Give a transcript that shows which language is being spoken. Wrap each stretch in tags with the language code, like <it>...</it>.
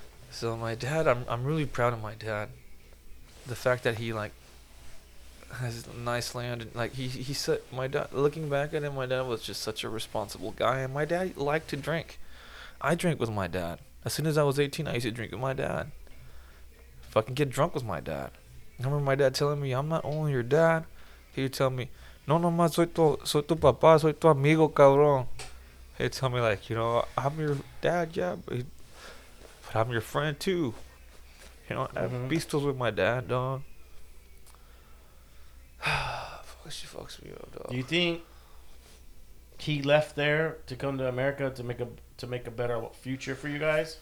<en>So my dad, I'm really proud of my dad. The fact that he like has nice land and like he said my dad looking back at him, my dad was just such a responsible guy and my dad liked to drink. I drank with my dad. As soon as I was 18 I used to drink with my dad. Fucking get drunk with my dad. I remember my dad telling me, I'm not only your dad. He would tell me,</en> <es>no no más soy tu papá, soy tu amigo cabrón.</es> <en>He'd tell me like, you know, I'm your dad, yeah, but I'm your friend too, you know. Mm-hmm. I have pistols with my dad, dog. She fucks me up, dog. Do you think he left there to come to America to make a better future for you guys?</en>